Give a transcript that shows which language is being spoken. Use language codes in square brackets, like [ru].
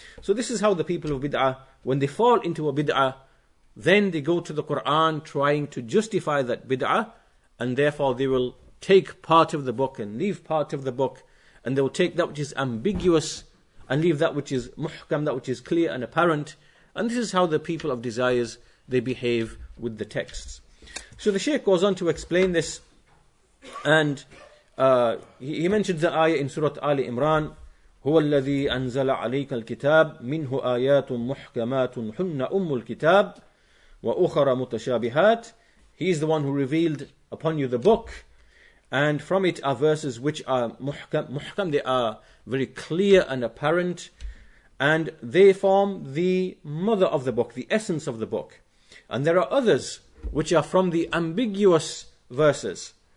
[en] So this is how the people of bid'ah, when they fall into a bid'ah, then they go to the Qur'an trying to justify that bid'ah, and therefore they will take part of the book and leave part of the book, and they will take that which is ambiguous and leave that which is muhkam, that which is clear and apparent. And this is how the people of desires, they behave with the texts. So the Shaykh goes on to explain this, and he mentions the ayah in Surah Ali Imran, [ar] هو الذي أنزل عليك الكتاب منه آيات محكمات هن أم الكتاب وأخرى متشابهات. [en] He is the one who revealed upon you the book, and from it are verses which are muhkam. Muhkam, they are very clear and apparent, and they form the mother of the book, the essence of the book. And there are others which are from the ambiguous verses.